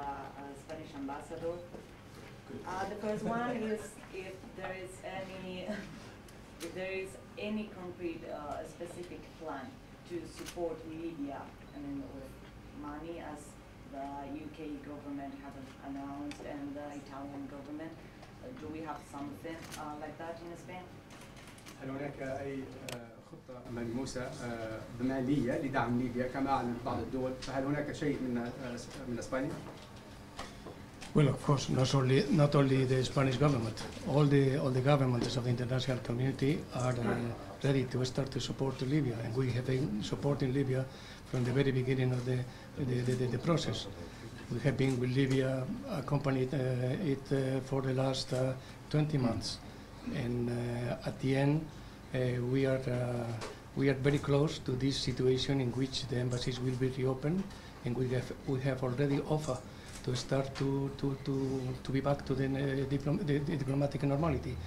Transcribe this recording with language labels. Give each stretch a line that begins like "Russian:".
English: The first one is if there is any concrete specific plan to support Libya, I mean with money, as the UK government has announced and the Italian government, do we have something like that in Spain?
Arabic: هل هناك أي خطة ملموسة مالية لدعم ليبيا كما أعلن بعض الدول؟ فهل هناك شيء من إسبانيا؟
English: Well, of course, not only the Spanish government, all the governments of the international community are ready to start to support Libya, and we have been supporting Libya from the very beginning of the process. We have been with Libya, accompanied it for the last 20 months, and at the end, we are very close to this situation in which the embassies will be reopened, and we have already offered to start to be back to the diplomatic normality.